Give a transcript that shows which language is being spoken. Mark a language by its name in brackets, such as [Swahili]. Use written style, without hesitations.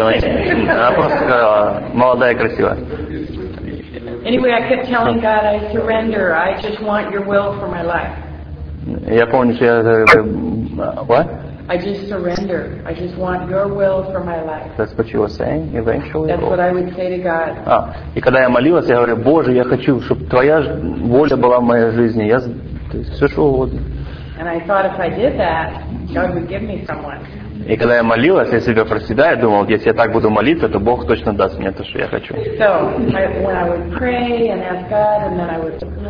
[Russian] Она просто сказала, молодая и красивая. [English] Anyway, I kept telling God, I surrender. I just want your will for my life. [Russian] Я помню, что я... [English] What? I just surrender. I just want your will for my life. That's what you were saying eventually? That's what I would say to God. [Russian] А, и когда я молилась, я говорю, Боже, я хочу, чтобы твоя воля была в моей жизни. Я... То есть, все, что угодно. [English] And I thought if I did that, God would give me someone. [Russian] И когда я молилась, я себя проседаю, я думал, если я так буду молиться, то Бог точно даст мне то, что я хочу. [English] So, when I would pray and ask God, and then I would say,